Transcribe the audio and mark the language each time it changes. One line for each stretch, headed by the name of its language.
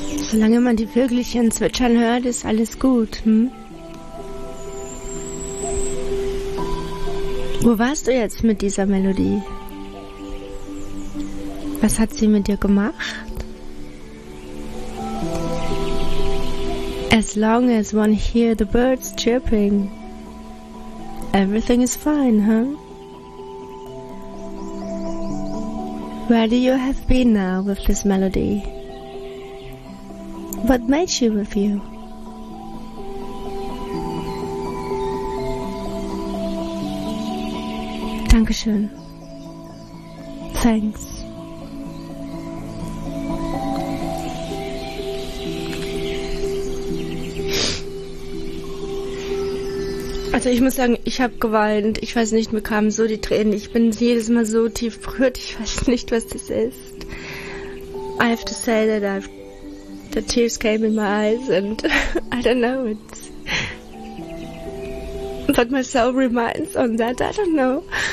German: Solange man die Vögelchen zwitschern hört, ist alles gut. Wo warst du jetzt mit dieser Melodie? Was hat sie mit dir gemacht?
English: As long as one hear the birds chirping, everything is fine, huh? Where do you have been now with this melody? What made she with you?
German: Dankeschön.
English: Thanks.
German: Also ich muss sagen, ich habe geweint. Ich weiß nicht, mir kamen so die Tränen. Ich bin jedes Mal so tief berührt. Ich weiß nicht, was das ist.
English: I have to say that the tears came in my eyes and I don't know, it's what my soul reminds on that, I don't know.